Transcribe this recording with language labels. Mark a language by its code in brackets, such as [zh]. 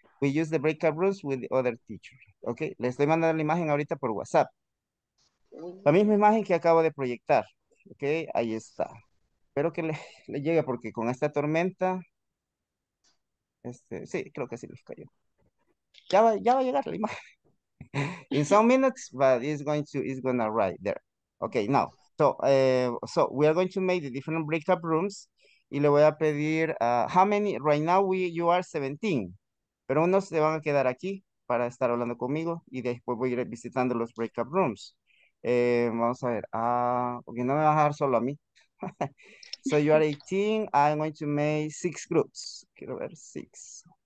[en] We use the breakout rooms with the other teachers. [es] Okay, le estoy mandando la imagen ahorita por WhatsApp. La misma imagen que acabo de proyectar. Okay, ahí está. Espero que le llegue porque con esta tormenta. Sí, creo que sí les cayó. Ya va a llegar la imagen. [en] In some minutes, but it's going to arrive there. Okay, now. So we are going to make the different breakout rooms. [es] Y le voy a pedir, [en] how many, right now you are 17. [es] Pero unos se van a quedar aquí para estar hablando conmigo y después voy a ir visitando los breakout rooms. Vamos a ver. Porque no me vas a dejar solo a mí. [en] So you are 18. I'm going to make 6 groups. [es] Quiero ver 6.